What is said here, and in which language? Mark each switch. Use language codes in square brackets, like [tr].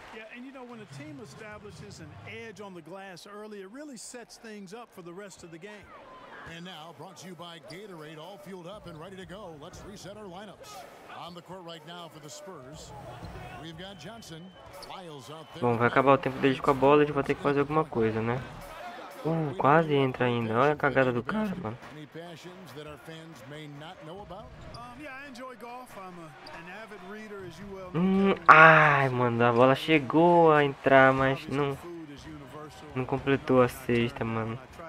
[en] Yeah, and you know, when a team establishes an edge on the glass early, it really sets things up for the rest of the game. And now, brought to you by Gatorade, all fueled up and ready to go. Let's reset our lineups. On the court right now for the Spurs, we've got Johnson. Lyles out there. [pt] Bom, vai acabar o tempo dele com a bola, a gente vai ter que fazer alguma coisa, né? Quase entra ainda. Olha a cagada do cara, mano. [en] Any passions that our fans may not know about? Yeah, I enjoy golf. I'm an avid reader, as you well know. [pt] Ai, mano, a bola chegou a entrar, mas não completou a cesta, mano.